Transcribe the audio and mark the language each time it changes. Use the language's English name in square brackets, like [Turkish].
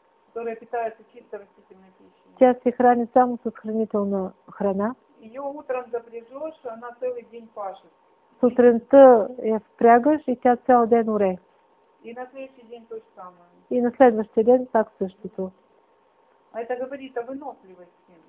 [Russian] которая питается чисто растительной пищей, [Bulgarian] тя се храни само с хранителна храна, [Russian] ее утром запряжешь, она целый день пашет. [Bulgarian] Сутринта я впрягаш и тя цял ден уре. [Russian] И на следующий день то же самое. [Bulgarian] И на следващия ден так същото. [Russian] А это говорит о выносливости.